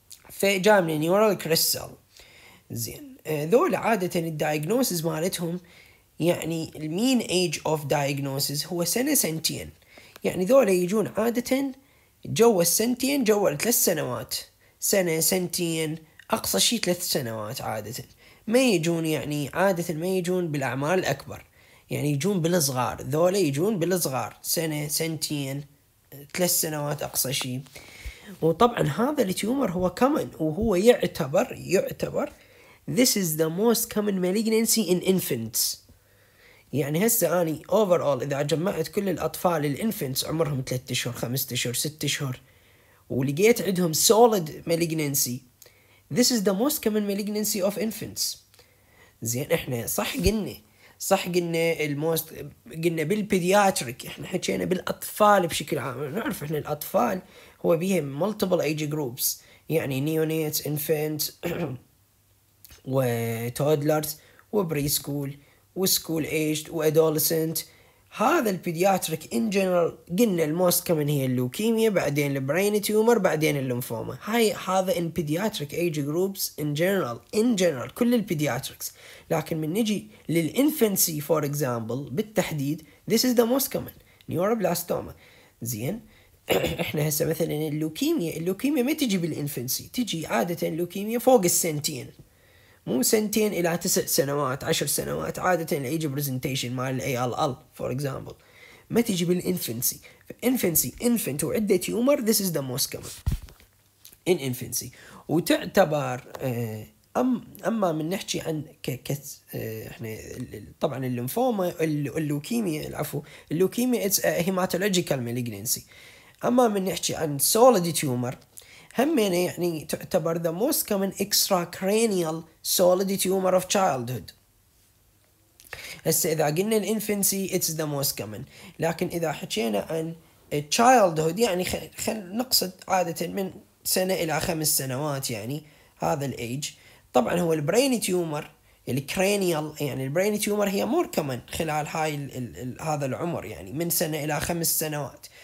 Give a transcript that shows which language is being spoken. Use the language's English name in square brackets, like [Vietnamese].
[Arabic] فجاء من النيورال كريست سيل زين. ذول عادة الدياغنوسز مالتهم يعني المين ايج اوف دياغنوسز هو سنة سنتين، يعني ذول يجون عادة جوا السنتين، جوا الثلاث سنوات، سنة سنتين أقصى شيء ثلاث سنوات عادة. ما يجون يعني عادة ما يجون بالأعمار الأكبر، يعني يجون بالصغار. ذولا يجون بالصغار سنة سنتين ثلاث سنوات أقصى شيء. وطبعا هذا التيومر هو كومن، وهو يعتبر [English] this is the most common malignancy in infants. [Arabic] يعني هسه أني [English] overall [Arabic] إذا جمعت كل الأطفال الانفنتس عمرهم 3 أشهر 5 أشهر 6 أشهر ولقيت عندهم [English] solid malignancy، This is the most common malignancy of infants. [Arabic] زين احنا صح قلنا الموست قلنا بالبيدياتريك، احنا حكينا بالاطفال بشكل عام. نعرف احنا الاطفال هو بيهم [English] multiple age groups، [Arabic] يعني [English] neonates infants [Arabic] و toddlers و preschool و [English] school aged [Arabic] و adolescent. هذا البيدياتريك [English] in general [Arabic] قلنا الموست كمان هي اللوكيميا، بعدين البرين تيومر، بعدين اللمفوما. هاي هذا [English] in pediatric age groups in general [Arabic] كل البيدياتريكس. لكن من نجي للإنفنسي [English] for example [Arabic] بالتحديد [English] this is the most common neuroblastoma. [Arabic] زين احنا هسه مثلا اللوكيميا ما تجي بالإنفنسي، تجي عادة اللوكيميا فوق السنتين، مو سنتين إلى 9 سنوات 10 سنوات عادة الأيجي برزنتيشن مع الALL [English] for example، [Arabic] ما تجي بالإنفنسي. إنفنسي إنفنت وعدة تيومر [English] this is the most common in infancy. [Arabic] وتعتبر أما من نحكي عن إحنا طبعا اللمفوما اللوكيميا العفو اللوكيميا [English] it's a hematological malignancy. [Arabic] أما من نحكي عن [English] solid tumor [Arabic] همينة يعني تعتبر [English] the most common extracranial solid tumor of childhood. [Arabic] هسه إذا قلنا الانفنسي [English] it's the most common، [Arabic] لكن إذا حكينا عن childhood يعني خل نقصد عادة من سنة إلى 5 سنوات يعني هذا الايج، طبعا هو البرين تيومر الكرانيال يعني البرين تيومر هي مور كمان خلال هاي هذا العمر، يعني من سنة إلى 5 سنوات.